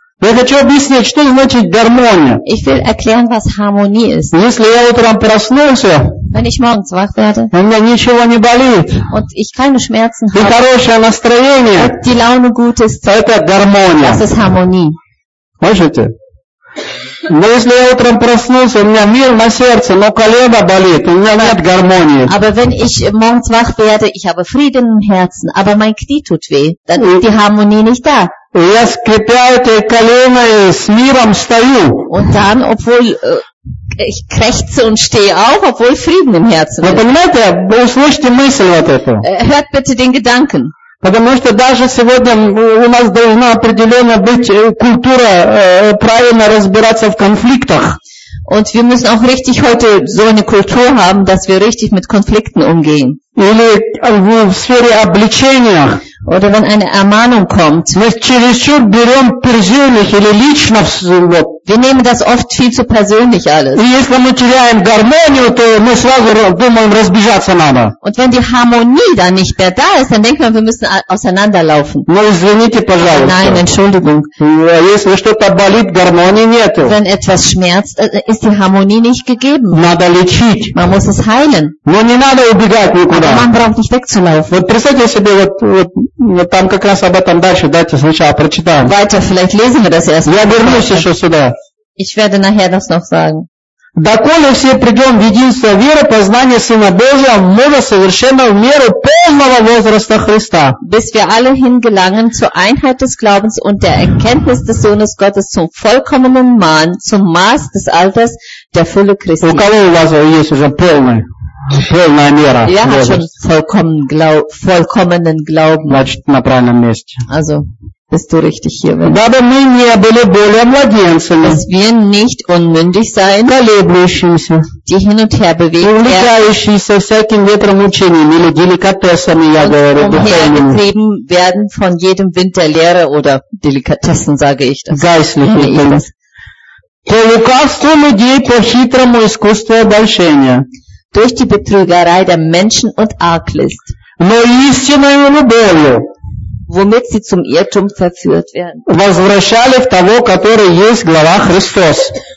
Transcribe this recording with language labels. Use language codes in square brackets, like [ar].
[ru] Я хочу объяснить, что значит гармония. [de] Ich will erklären, was Harmonie ist. [ru] Если я утром проснулся, [de] wenn ich morgens wach werde, [ru] у меня ничего не болит, [de] und ich keine Schmerzen habe, [ru] и хорошее настроение, [de] und die Laune gut ist, [ru] это гармония. [de] Das ist Harmonie. [ru] Слышите? Но если я утром проснулся, у меня мир на сердце, но колено болит, у меня нет гармонии. [de] Aber wenn ich morgens wach werde, ich habe Frieden im Herzen, aber mein Knie tut weh, dann ist die Harmonie nicht da. [ru] Я скрипел эти колено и с миром стою. [de] Und dann, obwohl ich krächze und stehe auf, obwohl Frieden im Herzen ist. [ru] Вы понимаете, услышьте мысль вот эту. [de] Hört bitte den Gedanken. [ru] Потому что даже сегодня у нас должна определенно быть культура правильно разбираться в конфликтах. [de] Und wir müssen auch richtig heute so eine Kultur haben, dass wir richtig mit Konflikten umgehen. [ru] Или в сфере обличения. [de] Oder wenn eine Ermahnung kommt. [ru] Мы чересчур берем персонально или лично все. [de] Wir nehmen das oft viel zu persönlich alles. [ru] И если мы теряем гармонию, то мы сразу думаем разбежаться надо. [de] Und wenn die Harmonie dann nicht mehr da ist, dann denkt man, wir müssen auseinanderlaufen. [ru] Ну, извините, пожалуйста. [de] Nein, Entschuldigung. [ru] Если что-то болит, гармонии нет. [de] Wenn etwas schmerzt, ist die Harmonie nicht gegeben. [ru] Надо лечить. [de] Man muss es heilen. [ru] Но не надо убегать никуда. [de] Aber man braucht nicht wegzulaufen. [ru] Вот представьте себе, вот там как раз об этом дальше, давайте сначала прочитаем. [de] Weiter, vielleicht lesen wir das erst. [ru] Я вернусь еще сюда. [de] Ich werde nachher das noch sagen. [ru] Доколе все придем в единство веры, познание Сына Божия, мужа совершенно в меру полного возраста Христа. [de] Bis wir alle hingelangen zur Einheit des Glaubens und der Erkenntnis des Sohnes Gottes zum vollkommenen Mann, zum Maß des Alters der Fülle Christi. [ru] У кого у вас есть уже полная мера? Я хочу [de] vollkommenen Glauben. [ru] Значит, на правильном месте. [de] Also, bist du richtig hier, wenn [ru] дабы мы не были более младенцами, [de] dass wir nicht unmündig sein, [ru] колеблющимся, [de] die hin und her bewegen, [ru] увлекающимся всяким ветром учением или деликатесами, я говорю, духовными, [de] umhergetrieben werden von jedem Wind der Lehre oder Delikatessen, sage ich das. Geistlich, [ru] по лукавству людей, по хитрому искусству обольщения, [de] durch die Betrügerei der Menschen und Arglist, [ru] но истинную любовью, [de] womit sie zum Irrtum verführt werden. [ru] Возвращали в того, который есть глава Христос.